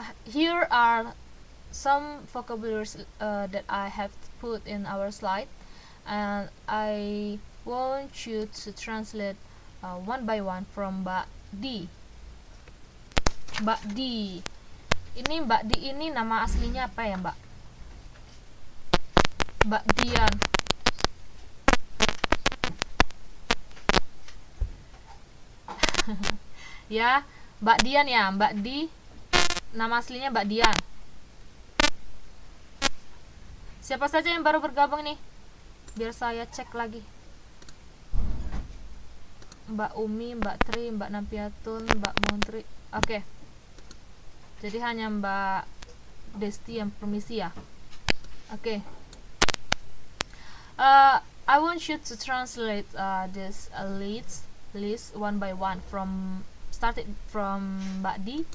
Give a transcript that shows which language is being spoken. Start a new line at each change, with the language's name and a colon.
English: Here are some vocabularies that I have put in our slide, and I want you to translate one by one from Mbak D.
Indonesian: Mbak D. Ini Mbak D ini nama aslinya apa ya, Mbak? Mbak Dian. Ya, Mbak Dian ya, Mbak Di. Nama aslinya Mbak Dian. Siapa saja yang baru bergabung nih? Biar saya cek lagi. Mbak Umi, Mbak Tri, Mbak Nampiatun, Mbak Montri. Oke. Jadi hanya Mbak Desti yang permisi ya. Oke.
English: I want you to translate this list one by one from started from Mbak D.